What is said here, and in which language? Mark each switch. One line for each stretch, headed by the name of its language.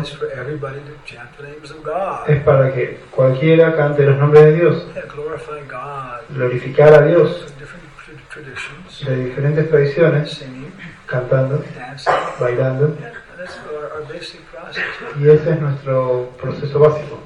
English: is for everybody to chant the names of God.
Spanish: Es para que cualquiera cante los nombres de Dios.
English: Yeah, glorify God.
Spanish: Glorificar a Dios.
English: So different traditions,
Spanish: de diferentes tradiciones.
English: Singing,
Spanish: cantando.
English: Dancing,
Spanish: bailando.
English: Yeah, that's our basic process.
Spanish: Y ese es nuestro proceso básico.